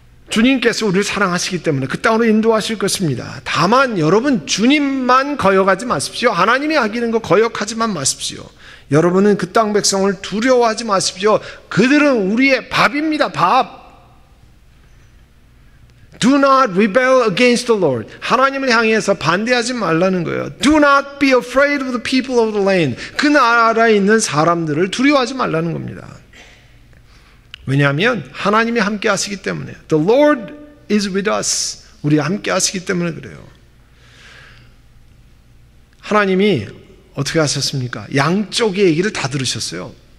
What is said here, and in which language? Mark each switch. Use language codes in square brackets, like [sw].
[ko] 주님께서 우리를 사랑하시기 때문에 그 땅으로 인도하실 것입니다. 다만 여러분 주님만 거역하지 마십시오. 하나님이 하시는 거 거역하지만 마십시오. 여러분은 그 땅 백성을 두려워하지 마십시오. 그들은 우리의 밥입니다. 밥. [en] Do not rebel against the Lord. [ko] 하나님을 향해서 반대하지 말라는 거예요. [en] Do not be afraid of the people of the land. [ko] 그 나라에 있는 사람들을 두려워하지 말라는 겁니다. 왜냐하면 하나님이 함께 하시기 때문에 [en] The Lord is with us. [ko] 우리 함께 하시기 때문에 그래요. 하나님이 어떻게 하셨습니까? 양쪽의 얘기를 다 들으셨어요.